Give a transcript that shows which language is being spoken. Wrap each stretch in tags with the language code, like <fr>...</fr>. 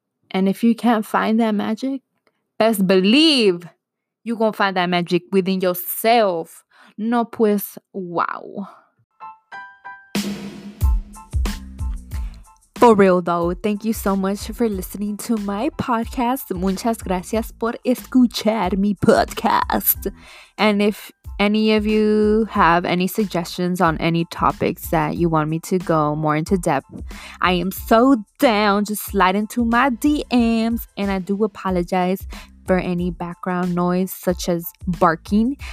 <en>And if you can't find that magic, best believe you gonna find that magic within yourself.</en> <es>No, pues, wow.</es> <en>For real, though, thank you so much for listening to my podcast.</en> <es>Muchas gracias por escuchar mi podcast.</es> <en>And if any of you have any suggestions on any topics that you want me to go more into depth, I am so down. Just slide into my DMs. And I do apologize for any background noise such as barking.</en>